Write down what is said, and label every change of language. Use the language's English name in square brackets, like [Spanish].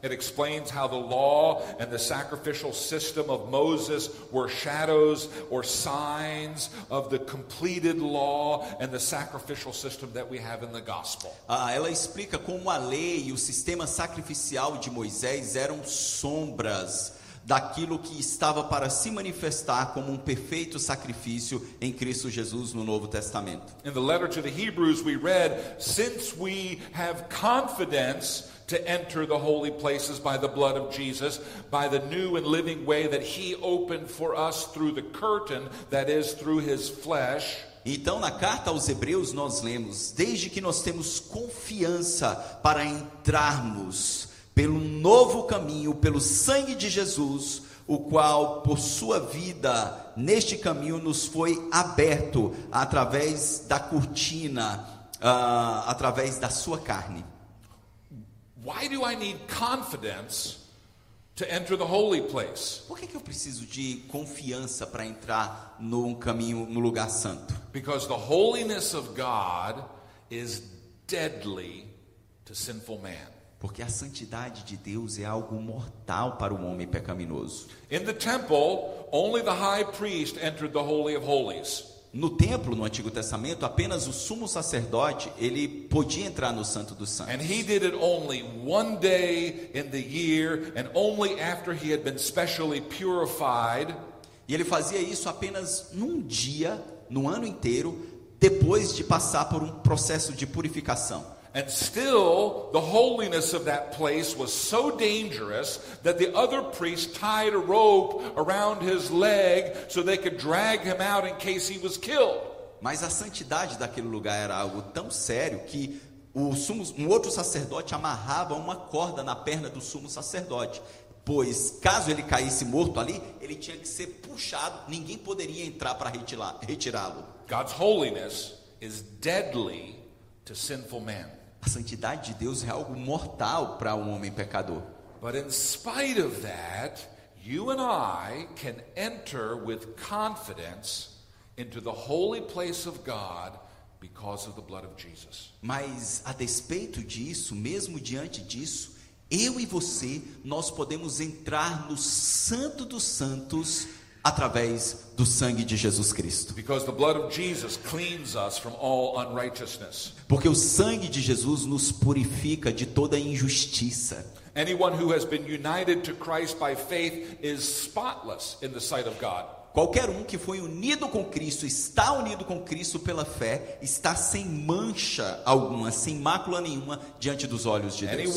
[English] It explains how the law and the sacrificial system of Moses were shadows or signs of the completed law and the sacrificial system that we have in the gospel. [Portuguese] Ela explica como a lei e o sistema sacrificial de Moisés eram sombras daquilo que estava para se manifestar como um perfeito sacrifício em Cristo Jesus no Novo Testamento. [English] In the letter to the Hebrews we read, since we have confidence to enter the holy places by the blood of Jesus, by the new and living way that he opened for us through the curtain, that is through his flesh. [Portuguese] Então, na carta aos Hebreus, nós lemos, desde que nós temos confiança para entrarmos pelo novo caminho, pelo sangue de Jesus, o qual, por sua vida, neste caminho nos foi aberto através da cortina, através da sua carne. [English] Why do I need confidence to enter the holy place? [Portuguese] Por que eu preciso de confiança para entrar num caminho, no lugar santo? [English] Because the holiness of God is deadly to sinful man. [Portuguese] Porque a santidade de Deus é algo mortal para o homem pecaminoso. [English] In the temple, only the high priest entered the holy of holies. [Portuguese] No templo, no Antigo Testamento, apenas o sumo sacerdote, ele podia entrar no Santo dos Santos. [English] And he did it only one day in the year and only after he had been specially purified. [Portuguese] E ele fazia isso apenas num dia, no ano inteiro, depois de passar por um processo de purificação. [English] And still, the holiness of that place was so dangerous that the other priest tied a rope around his leg so they could drag him out in case he was killed. [Portuguese] Mas a santidade daquele lugar era algo tão sério que um outro sacerdote amarrava uma corda na perna do sumo sacerdote. Pois, caso ele caísse morto ali, ele tinha que ser puxado. Ninguém poderia entrar para retirá-lo. [English] God's holiness is deadly to sinful man. [Portuguese] A santidade de Deus é algo mortal para um homem pecador. [English] But in spite of that, you and I can enter with confidence into the holy place of God because of the blood of Jesus. [Portuguese] Mas a despeito disso, mesmo diante disso, eu e você, nós podemos entrar no Santo dos Santos através do sangue de Jesus Cristo. [English] Because the blood of Jesus cleans us from all unrighteousness. [Portuguese] Porque o sangue de Jesus nos purifica de toda injustiça. [English] Anyone who has been united to Christ by faith is spotless in the sight of God. [Portuguese] Qualquer um que foi unido com Cristo, está unido com Cristo pela fé, está sem mancha alguma, sem mácula nenhuma diante dos olhos de Deus.